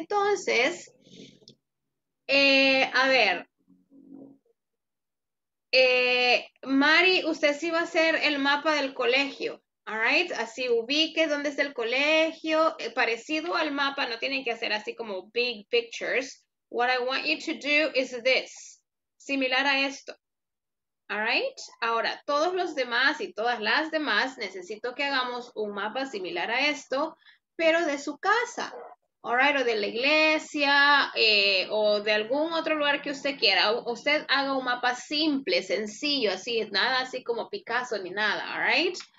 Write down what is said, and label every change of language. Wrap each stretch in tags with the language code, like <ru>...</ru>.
<es>Entonces, a ver, Mari, usted sí va a hacer el mapa del colegio. All right, así ubique dónde es el colegio, parecido al mapa, no tienen que hacer así como</es> <en>big pictures. What I want you to do is this,</en> <es>similar a esto. All right, ahora todos los demás y todas las demás necesito que hagamos un mapa similar a esto, pero de su casa. All right, o de la iglesia, o de algún otro lugar que usted quiera. Usted haga un mapa simple, sencillo, así, nada así como Picasso ni nada, all right?</es>